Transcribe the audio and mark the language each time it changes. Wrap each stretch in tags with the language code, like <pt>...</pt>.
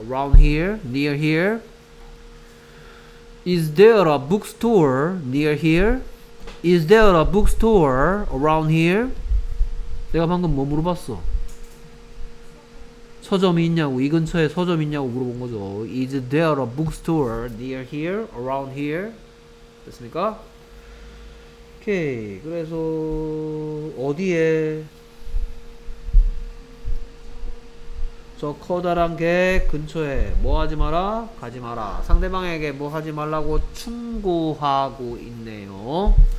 <en>around here, near here. Is there a bookstore near here? Is there a bookstore around here?</en> <ko>내가 방금 뭐 물어봤어? 서점이 있냐고, 이 근처에 서점이 있냐고 물어본 거죠.</ko> <en>Is there a bookstore near here, around here?</en> <ko>됐습니까? 오케이. 그래서 어디에 저 커다란 개 근처에 뭐 하지 마라? 가지 마라. 상대방에게 뭐 하지 말라고 충고하고 있네요.</ko>